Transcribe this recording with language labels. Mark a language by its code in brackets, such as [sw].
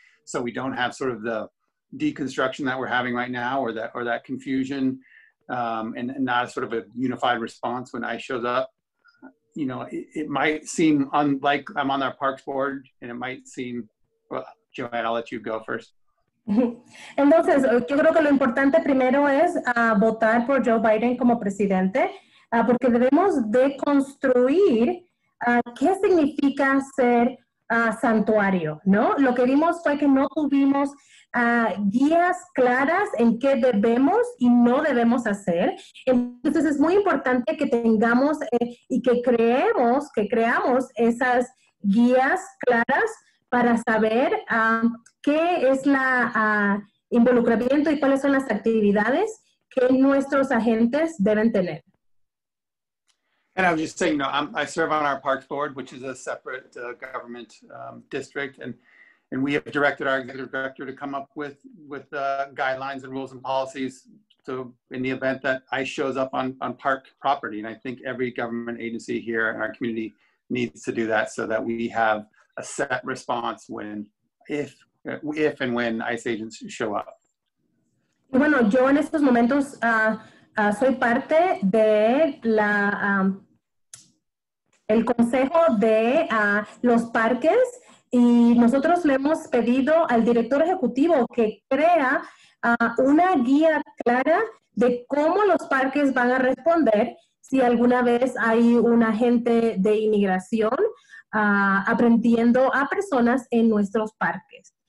[en] So we don't have sort of the deconstruction that we're having right now, or that confusion, and not a sort of a unified response when ICE shows up. You know, it might seem like I'm on our parks board, and it might seem, well, Joanne, I'll let you go first. [es] Entonces, yo creo que lo importante primero es votar por Joe Biden como presidente, porque debemos de construir qué significa ser santuario, ¿no? Lo que vimos fue que no tuvimos guías claras en qué debemos y no debemos hacer. Entonces, es muy importante que tengamos y que creamos esas guías claras para saber qué es la involucramiento y cuáles son las actividades que nuestros agentes deben tener. [en] And I was just saying, you know, I serve on our Parks Board, which is a separate government district, and we have directed our executive director to come up with guidelines and rules and policies. So in the event that ICE shows up on park property, and I think every government agency here in our community needs to do that, so that we have a set response if and when ICE agents show up. [es] Bueno, yo en estos momentos soy parte de la el consejo de los parques, y nosotros le hemos pedido al director ejecutivo que crea una guía clara de cómo los parques van a responder si alguna vez hay un agente de inmigración aprehendiendo a personas en nuestros parques.